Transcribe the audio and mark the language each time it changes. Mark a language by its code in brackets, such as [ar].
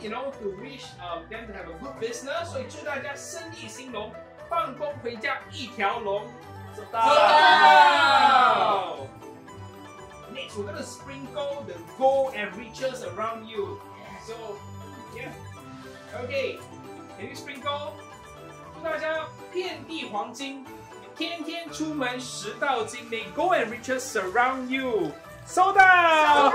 [en] You know, to wish them to have a good business. [zh] 所以祝大家生意兴隆，放工回家一条龙. [en] Wow! Next, we're gonna sprinkle the gold and riches around you. So, yeah. Okay, can you sprinkle? [zh] 祝大家遍地黄金，天天出门十道金. [en] May gold and riches surround you. Sold out!